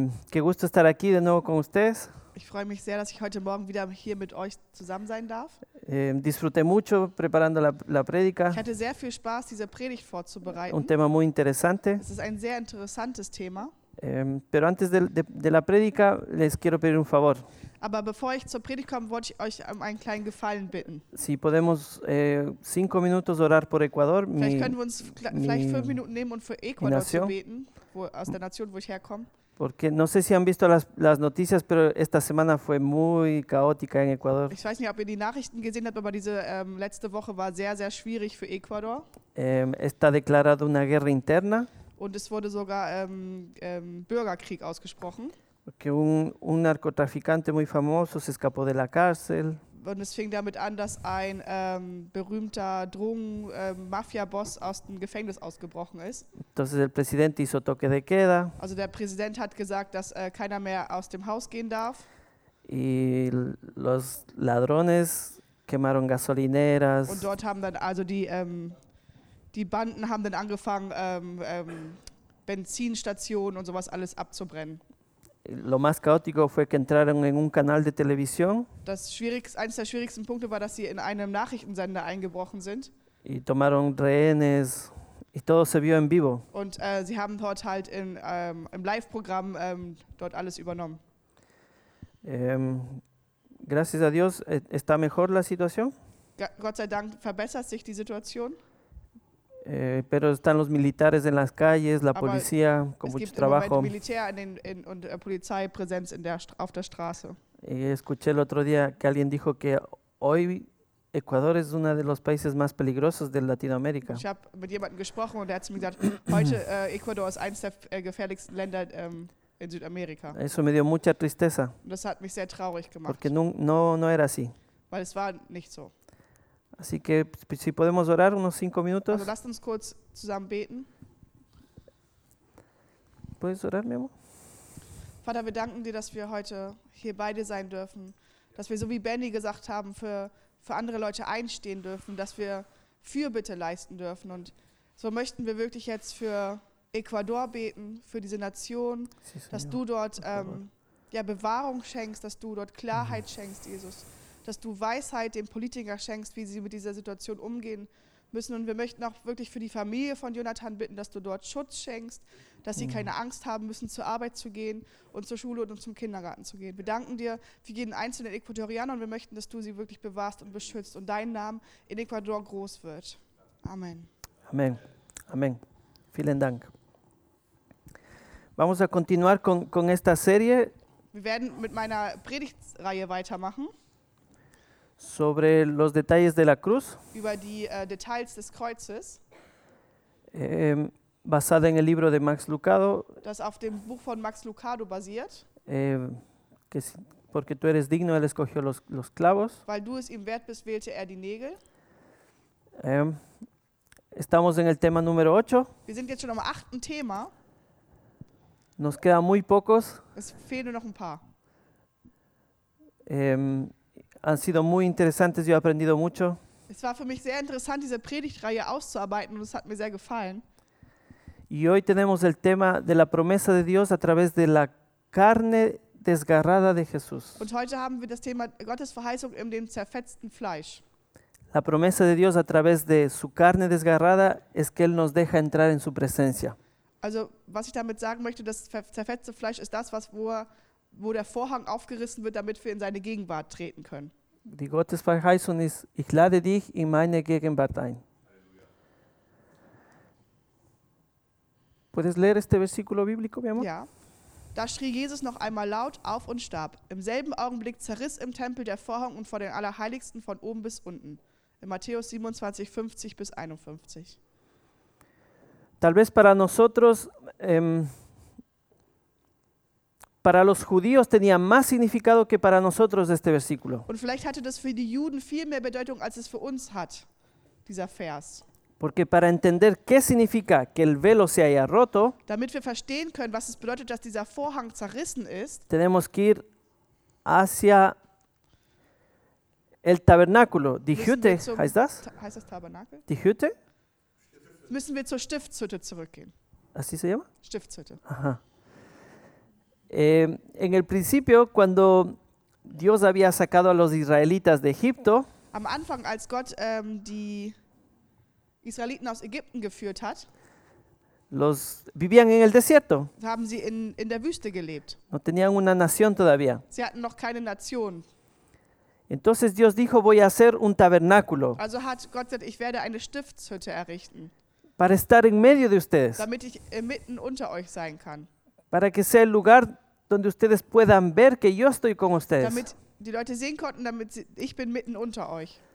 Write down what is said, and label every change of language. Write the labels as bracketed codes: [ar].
[es] Qué gusto estar aquí de nuevo con ustedes. [de] Ich freue mich sehr, dass ich heute Morgen wieder hier mit euch zusammen sein darf. [es] Disfruté mucho preparando la predica. [de] Ich hatte sehr viel Spaß, diese Predigt vorzubereiten. [es] Un tema muy interesante. [de] Es ist ein sehr interessantes Thema. [es] Pero antes de la predica, les quiero pedir un favor. [de] Aber bevor ich zur Predigt komme, wollte ich euch um einen kleinen Gefallen bitten. [es] Si podemos, cinco minutos orar por Ecuador, [de] vielleicht können wir uns vielleicht fünf Minuten nehmen und für Ecuador zu beten, wo, aus der Nation, wo ich herkomme. [es] Porque no sé si han visto las noticias, pero esta semana fue muy caótica en Ecuador. [de] Ich weiß nicht, ob ihr die Nachrichten gesehen habt, aber diese letzte Woche war sehr, sehr schwierig für Ecuador. [es] Está declarada una guerra interna. [de] Und es wurde sogar Bürgerkrieg ausgesprochen. [es] Porque un narcotraficante muy famoso se escapó de la cárcel. [de] Und es fing damit an, dass ein berühmter Drogen-Mafia-Boss aus dem Gefängnis ausgebrochen ist. [es] Entonces el presidente hizo toque de queda. [de] Also der Präsident hat gesagt, dass keiner mehr aus dem Haus gehen darf. [es] Y los ladrones quemaron gasolineras. [de] Und dort haben dann also die Banden haben dann angefangen, Benzinstationen und sowas alles abzubrennen. [es] Lo más caótico fue que entraron en un canal de televisión. [de] Das schwierigste, eines der schwierigsten Punkte war, dass sie in einem Nachrichtensender eingebrochen sind. [es] Y tomaron rehenes y todo se vio en vivo. [de] Und sie haben dort halt in, im Live-Programm dort alles übernommen. [es] Gracias a Dios está mejor la situación. [de] Gott sei Dank verbessert sich die Situation. [es] Pero están los militares en las calles, la policía con mucho trabajo. [de] Es gibt Militär und Polizeipräsenz auf der Straße. [es] Y escuché el otro día que alguien dijo que hoy Ecuador es uno de los países más peligrosos de Latinoamérica. [de] Ich habe mit jemandem gesprochen und er hat zu mir gesagt, heute Ecuador ist eines der gefährlichsten Länder in Südamerika. [es] Eso me dio mucha tristeza. [de] Und das hat mich sehr traurig gemacht. [es] Porque no era así. [de] Weil es war nicht so. [es] Así que si podemos orar unos cinco minutos. [de] Also, lasst uns kurz zusammen beten. [es] ¿Puedes orar, mi amor? [de] Vater, wir danken dir, dass wir heute hier bei dir sein dürfen, dass wir, so wie Benny gesagt haben, für andere Leute einstehen dürfen, dass wir Fürbitte leisten dürfen. Und so möchten wir wirklich jetzt für Ecuador beten, für diese Nation, sí, dass du dort Bewahrung schenkst, dass du dort Klarheit schenkst, Jesus. Dass du Weisheit den Politikern schenkst, wie sie mit dieser Situation umgehen müssen. Und wir möchten auch wirklich für die Familie von Jonathan bitten, dass du dort Schutz schenkst, dass sie keine Angst haben müssen, zur Arbeit zu gehen und zur Schule und zum Kindergarten zu gehen. Wir danken dir für jeden einzelnen Ecuadorianer und wir möchten, dass du sie wirklich bewahrst und beschützt und dein Name in Ecuador groß wird. Amen. Amen. Amen. Vielen Dank. [es] Vamos a continuar con esta serie. [de] Wir werden mit meiner Predigtreihe weitermachen. [es] Sobre los detalles de la cruz. [de] Über die Details des Kreuzes. [es] Basada en el libro de Max Lucado. [de] Das auf dem Buch von Max Lucado basiert. [es] Porque tú eres digno, él escogió los clavos. [de] Weil du es ihm wert bist, wählte er die Nägel. [es] Estamos en el tema número 8. [de] Wir sind jetzt schon am achten Thema. [es] Nos quedan muy pocos. [de] Es fehlen nur noch ein paar. [es] Han sido muy interesantes, yo he aprendido mucho. [de] Es war für mich sehr interessant, diese Predigtreihe auszuarbeiten und es hat mir sehr gefallen. [es] Y hoy tenemos el tema de la promesa de Dios a través de la carne desgarrada de Jesús. [de] Und heute haben wir das Thema Gottes Verheißung in dem zerfetzten Fleisch. [es] La promesa de Dios a través de su carne desgarrada es que Él nos deja entrar en su presencia. [de] Also, was ich damit sagen möchte, das zerfetzte Fleisch ist das, was wo der Vorhang aufgerissen wird, damit wir in seine Gegenwart treten können. Die Gottesverheißung ist, ich lade dich in meine Gegenwart ein. [es] ¿Puedes leer este versículo bíblico, mi amor? [de] Ja. Da schrie Jesus noch einmal laut auf und starb. Im selben Augenblick zerriss im Tempel der Vorhang und vor den Allerheiligsten von oben bis unten. In Matthäus 27, 50 bis 51. [es] Tal vez para nosotros para los judíos tenía más significado que para nosotros este versículo. [de] Und vielleicht hatte das für die Juden viel mehr Bedeutung als es für uns hat, dieser Vers. [es] Porque para entender qué significa que el velo se haya roto, [de] damit wir verstehen können, was es bedeutet, dass dieser Vorhang zerrissen ist, [es] tenemos que ir hacia el tabernáculo. [de] Die Hütte, heißt das? Heißt das Tabernakel? Die Hütte? müssen wir zur Stiftshütte zurückgehen. [es] ¿Así se llama? [de] Stiftshütte. Ajá. [es] En el principio, cuando Dios había sacado a los israelitas de Egipto, [de] am Anfang, als Gott die Israeliten aus Ägypten geführt hat, [es] los vivían en el desierto. [de] Haben sie in der Wüste gelebt. [es] No tenían una nación todavía. [de] Sie hatten noch keine Nation. [es] Entonces Dios dijo, voy a hacer un tabernáculo. [de] Also hat Gott gesagt, ich werde eine Stiftshütte errichten. [es] Para estar en medio de ustedes. [de] Damit ich mitten unter euch sein kann. [es] Para que sea el lugar donde ustedes puedan ver que yo estoy con ustedes. [de] Damit die Leute sehen konnten, damit sie, ich bin mitten unter euch.